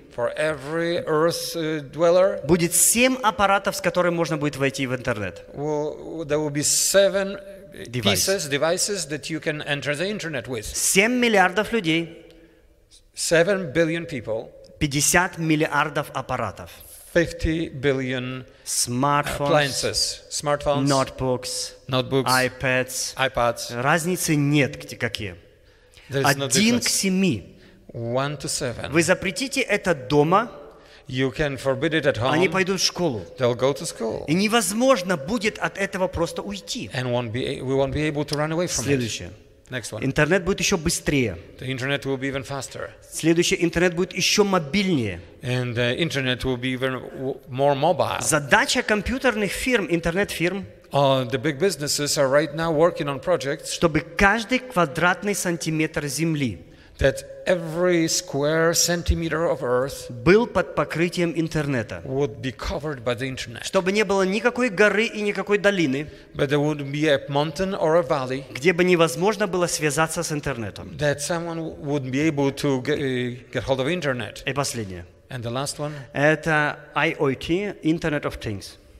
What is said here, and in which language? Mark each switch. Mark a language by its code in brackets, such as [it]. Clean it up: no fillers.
[en] for every earth dweller, [ru] будет 7 аппаратов, с которыми можно будет войти в интернет. [en] There will be 7 devices that you can enter the internet with. [ru] 7 миллиардов людей. [en] 7 billion people. [ru] 50 миллиардов аппаратов. [en] 50 billion smartphones, appliances, smartphones, notebooks, iPads. [ru] Разницы нет, какие. [en] There is no difference. 1 to 7. 1 to 7. [ru] Вы запретите это дома. [en] You can forbid it at home. [ru] Они пойдут в школу. [en] They'll go to school. [ru] И невозможно будет от этого просто уйти. [en] And we won't be able to run away from [ru] Следующее. [en] It. Next one. [ru] Интернет будет еще быстрее. [en] The internet will be even faster. [ru] Следующий интернет будет еще мобильнее. [en] And the internet will be even more mobile. [ru] Задача компьютерных фирм, интернет-фирм. [en] The big businesses are right now working on projects. [ru] Чтобы каждый квадратный сантиметр земли. [en] That every square centimeter of earth [ru] был под покрытием интернета. [en] Would be covered by the internet. [ru] Чтобы не было никакой горы и никакой долины. [en] But there would be a mountain or a valley. [ru] Где бы невозможно было связаться с интернетом. [en] That someone would be able to get hold of internet. [ru] И последнее. [en] And the last one. Это IoT, Internet of Things.